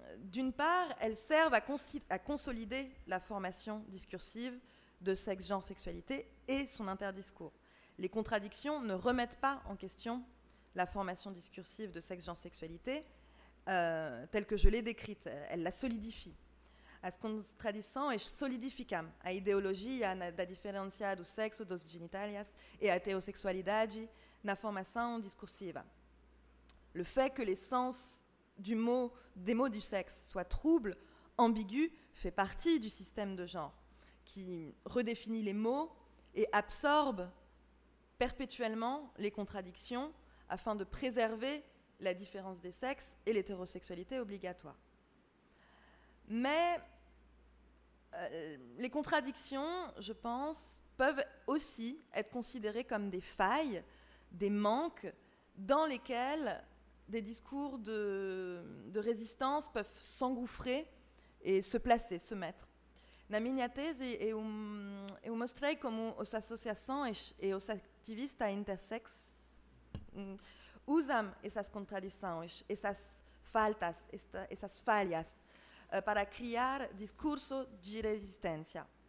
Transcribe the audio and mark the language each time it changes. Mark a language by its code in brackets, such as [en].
[fr] D'une part, elles servent à consolider la formation discursive de sexe-genre-sexualité et son interdiscours. Les contradictions ne remettent pas en question la formation discursive de sexe-genre-sexualité telle que je l'ai décrite, elle la solidifie. [pt] As contradições solidificam a ideologia da diferença do sexo, dos genitalias e a heterossexualidade na formação discursiva. [fr] Le fait que les sens des mots du sexe soient troubles, ambigus, fait partie du système de genre qui redéfinit les mots et absorbe perpétuellement les contradictions afin de préserver la différence des sexes et l'hétérosexualité obligatoire. Mais les contradictions, je pense, peuvent aussi être considérées comme des failles, des manques dans lesquels des discours de résistance peuvent s'engouffrer et se placer, se mettre. [pt] Na minha tese, eu mostrei como os associações e os ativistas intersex usam essas contradições, essas faltas, essas falhas, para criar discursos de resistência.